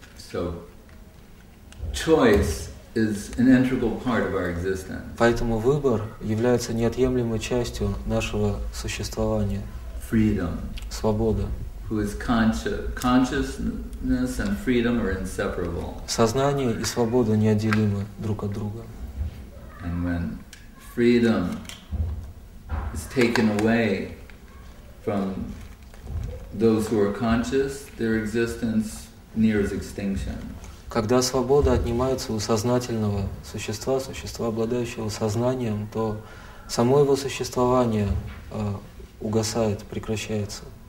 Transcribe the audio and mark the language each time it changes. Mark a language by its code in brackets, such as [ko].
[en] So, choice is an integral part of our existence. [ru] Поэтому выбор является неотъемлемой частью нашего существования. [en] Freedom. [ru] Свобода. [en] Who is consciousness and freedom are inseparable. [ru] Сознание и свобода неотделимы друг от друга. [en] And when freedom is taken away from those who are conscious, their existence nears extinction. [ru] Когда свобода отнимается у сознательного существа, существа, обладающего сознанием, то само его существование угасает, прекращается.